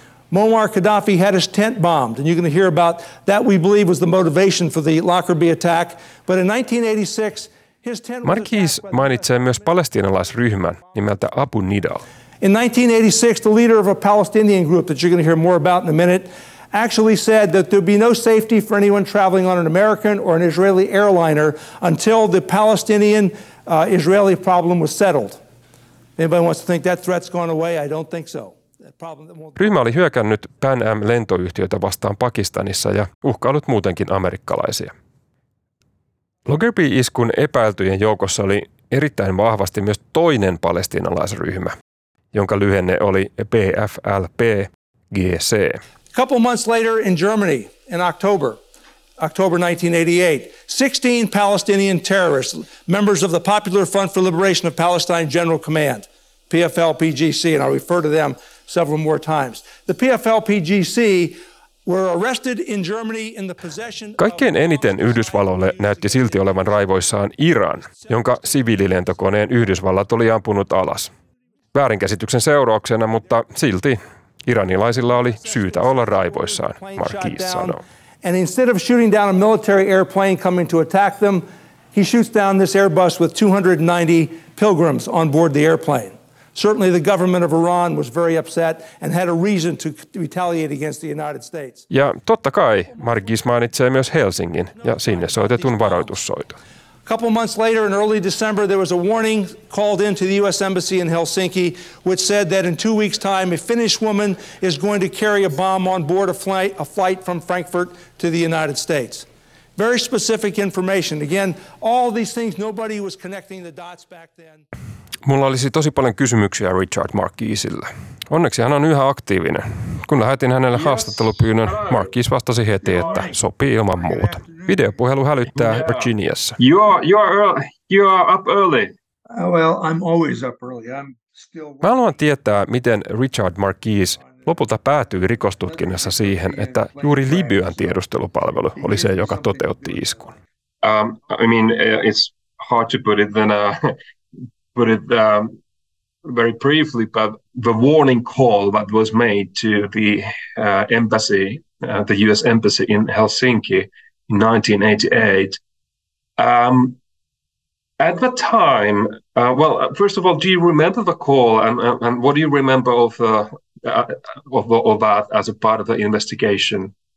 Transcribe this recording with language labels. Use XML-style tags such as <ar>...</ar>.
<en>Muammar Gaddafi had his tent bombed, and you're going to hear about that. We believe was the motivation for the Lockerbie attack. But in 1986, his tent.</en> <fi>Marquis mainitsee myös palestiinalaisryhmän nimeltä Abu Nidal.</fi> <en>In 1986, the leader of a Palestinian group that you're going to hear more about in a minute actually said that there'd be no safety for anyone traveling on an American or an Israeli airliner until the Palestinian-Israeli problem was settled. Anybody wants to think that threat's gone away? I don't think so.</en> <fi>Ryhmä oli hyökännyt Pan Am-lentoyhtiötä vastaan Pakistanissa ja uhkaillut muutenkin amerikkalaisia. Lockerbie-iskun epäiltyjen joukossa oli erittäin vahvasti myös toinen palestiinalaisryhmä, jonka lyhenne oli PFLP-GC.</fi> <en>Couple months later in Germany in October 1988, 16 Palestinian terrorists, members of the Popular Front for Liberation of Palestine General Command, PFLP-GC, and I refer to them several more times. The PFLP-GC were arrested in Germany in the possession.</en> <fi>Kaikkein eniten Yhdysvalloille näytti silti olevan raivoissaan Iran, jonka siviililentokoneen Yhdysvallat oli ampunut alas. Väärinkäsityksen seurauksena, mutta silti iranilaisilla oli syytä olla raivoissaan, Marquis sanoo.</fi> <en>And instead of shooting down a military airplane coming to attack them, he shoots down this Airbus with 290 pilgrims on board the airplane. Certainly the government of Iran was very upset and had a reason to retaliate against the United States.</en> <fi>Ja totta kai Marquis mainitsee myös Helsingin ja sinne soitetun varoitussoiton.</fi> <en>A couple months later in early December there was a warning called into the US embassy in Helsinki which said that in 2 weeks time a Finnish woman is going to carry a bomb on board a flight from Frankfurt to the United States. Very specific information. Again, all these things, nobody was connecting the dots back then.</en> <fi>Mulla olisi tosi paljon kysymyksiä Richard Marquisille. Onneksi hän on yhä aktiivinen. Kun lähetin hänelle haastattelupyynnön, Marquis vastasi heti, että sopii ilman muuta. Videopuhelu hälyttää Virginiassa.</fi> <en>You are up early. Well, I'm always up early. I'm still.</en> <fi>Mä haluan tietää, miten Richard Marquis lopulta päätyi rikostutkinnassa siihen, että juuri Libyan tiedustelupalvelu oli se, joka toteutti iskun.</fi> <en>It's hard to put it than very briefly, but the warning call that was made to the embassy, the U.S. embassy in Helsinki in 1988. At the time, first of all, do you remember the call, and what do you remember of that as a part of the investigation?</en>